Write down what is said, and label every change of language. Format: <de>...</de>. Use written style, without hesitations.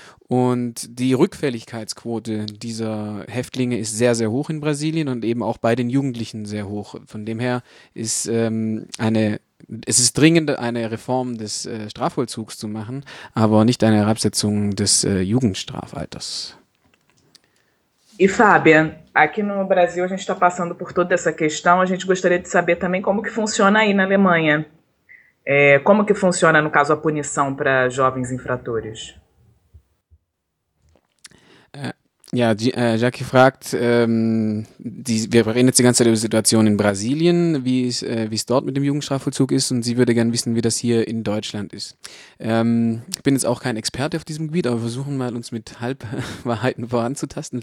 <de>Und die Rückfälligkeitsquote dieser Häftlinge ist sehr, sehr hoch in Brasilien und eben auch bei den Jugendlichen sehr hoch. Von dem her ist es ist dringend, eine Reform des Strafvollzugs zu machen, aber nicht eine Herabsetzung des Jugendstrafalters.</de> <pt>E, Fábia, aqui no Brasil a gente está passando por toda essa questão. A gente gostaria de saber também como que funciona aí na Alemanha. Como que funciona, no caso, a punição para jovens infratores?</pt> <de>Ja, Jackie fragt, wir reden jetzt die ganze Zeit über die Situation in Brasilien, wie es dort mit dem Jugendstrafvollzug ist, und sie würde gern wissen, wie das hier in Deutschland ist. Ich bin jetzt auch kein Experte auf diesem Gebiet, aber versuchen mal, uns mit Halbwahrheiten voranzutasten.</de>